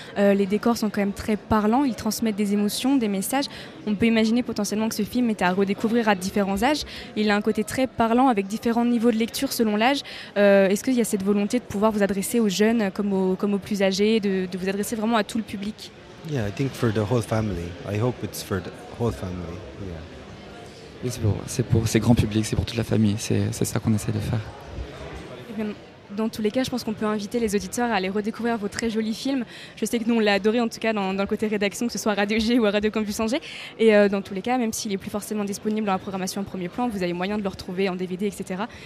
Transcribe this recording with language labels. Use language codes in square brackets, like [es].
[fr] Les décors sont quand même très parlants, ils transmettent des émotions, des messages. On peut imaginer potentiellement que ce film est à redécouvrir à différents âges. Il a un côté très parlant avec différents niveaux de lecture selon l'âge. Est-ce qu'il y a cette volonté de pouvoir vous adresser aux jeunes comme aux plus âgés, de vous adresser vraiment à tout le public? [en] Yeah, I think for the whole family. I hope it's for the whole family. Yeah. [fr] C'est grand public, c'est pour toute la famille. C'est ça qu'on essaie de faire. Dans tous les cas, je pense qu'on peut inviter les auditeurs à aller redécouvrir vos très jolis films. Je sais que nous, on l'a adoré, en tout cas, dans le côté rédaction, que ce soit à Radio G ou à Radio Campus Angers. Et dans tous les cas, même s'il n'est plus forcément disponible dans la programmation en premier plan, vous avez moyen de le retrouver en DVD, etc.